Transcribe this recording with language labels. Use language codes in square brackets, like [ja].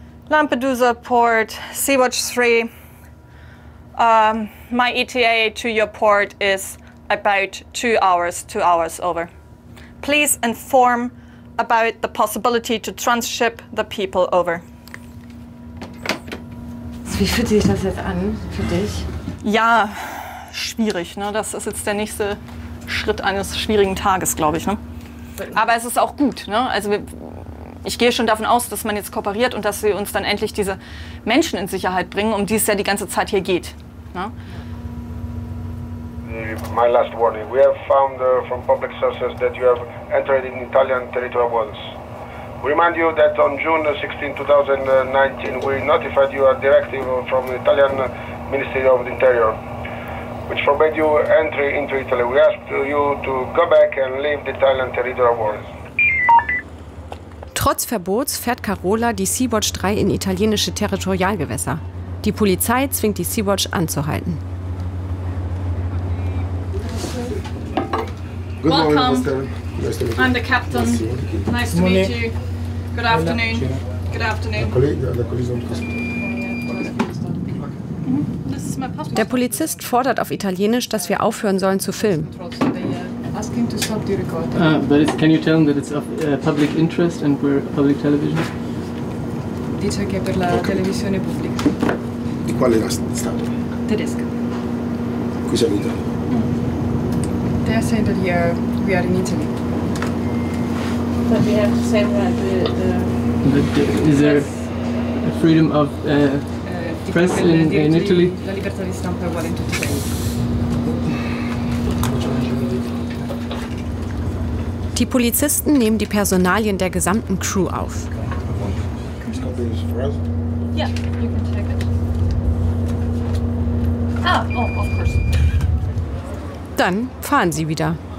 [en] Lampedusa Port, Sea-Watch 3, my ETA to your port is about 2 hours, over. Please inform about the possibility to transship the people over. [de] Wie fühlt sich das jetzt an für dich? Ja, schwierig. Ne? Das ist jetzt der nächste Schritt eines schwierigen Tages, glaube ich. Ne? Aber es ist auch gut. Ne? Also ich gehe schon davon aus, dass man jetzt kooperiert und dass wir uns dann endlich diese Menschen in Sicherheit bringen, um die es ja die ganze Zeit hier geht. Ne? [en] My last warning. We have found from public sources that you have entered in Italian territorial waters. We remind you that on June 16, 2019, we notified you a directive from the Italian Ministry of the Interior, which forbade you entry into Italy. We ask you to go back and leave the Italian territorial waters. [de] Trotz Verbots fährt Carola die Sea-Watch 3 in italienische Territorialgewässer. Die Polizei zwingt die Sea-Watch anzuhalten. [en] Good morning, welcome. Nice to meet you. I'm the captain. Nice to meet you. Good afternoon. [de] Der Polizist fordert auf Italienisch, dass wir aufhören sollen zu filmen. [en] Asking to stop the record. Can you tell them that it's of public interest and we're public television? [it] Dice che per la televisione pubblica. Di quale stato? Tedesca. Qui siamo in Italia. [en] They are saying that we are in Italy. But we have to say that the is there a freedom of press in Italy? [it] La libertà di stampa uguale in tutti i paesi. [de] Die Polizisten nehmen die Personalien der gesamten Crew auf. [en] Yeah, you can check it. [de] Dann fahren sie wieder.